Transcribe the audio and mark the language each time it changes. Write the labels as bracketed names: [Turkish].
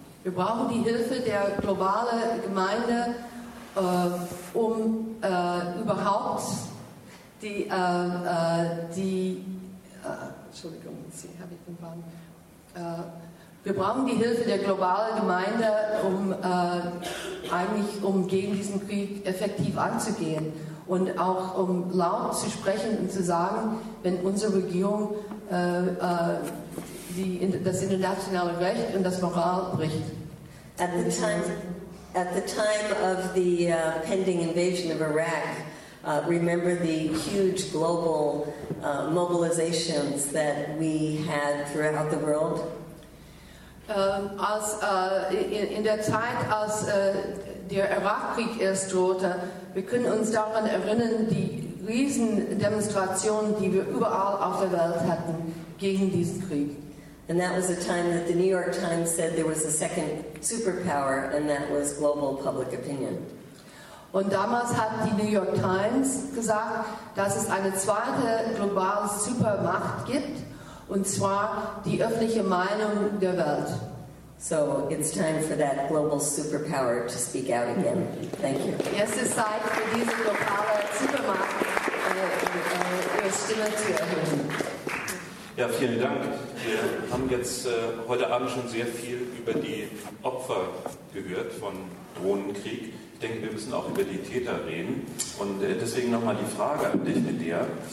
[German] Wir brauchen die Hilfe der globalen Gemeinde, um überhaupt die, wir brauchen die Hilfe der globalen Gemeinde, um eigentlich um gegen diesen Krieg effektiv anzugehen und auch um laut zu sprechen und zu sagen, wenn unsere Regierung das internationale Recht und das Moral bricht. [English] At the time of the pending invasion of Iraq, remember the huge global mobilizations that we had throughout the world? [German] In der Zeit, als der Irakkrieg erst drohte. Wir können uns daran erinnern, die Riesendemonstrationen, die wir überall auf der Welt hatten gegen diesen Krieg. [English] And that was a time that the New York Times said there was a second superpower, and that was global public opinion. [German] Und damals hat die New York Times gesagt, dass es eine zweite globale Supermacht gibt, und zwar die öffentliche Meinung der Welt. [English] So it's time for that global superpower to speak out again. Thank you. [German] Jetzt ist Zeit für diese globale Supermacht, ihre Stimme zu erheben. Ja, vielen Dank. Wir haben jetzt heute Abend schon sehr viel über die Opfer gehört von Drohnenkrieg. Ich denke, wir müssen auch über die Täter reden. Und deswegen nochmal die Frage an dich, Nadia.